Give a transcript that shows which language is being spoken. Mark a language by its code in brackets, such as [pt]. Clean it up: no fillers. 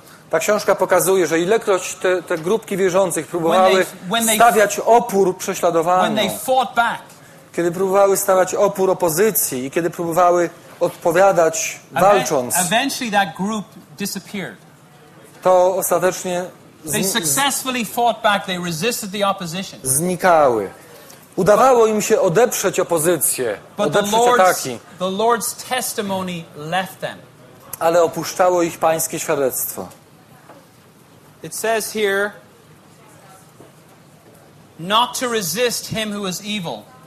[pl] Ta książka pokazuje, że ilekroć te grupki wierzących próbowały stawiać opór prześladowaniu. [en] When they fought back. [pl] Kiedy próbowały stawiać opór opozycji i kiedy próbowały odpowiadać walcząc, [en] eventually that group disappeared. [pl] To ostatecznie [en] they successfully fought back, they resisted the opposition. [pl] Znikały. Udawało im się odeprzeć opozycję, ataki. [en] The Lord's testimony left them. [pl] Ale opuszczało ich pańskie świadectwo. [en] It says here, not to resist him who is evil.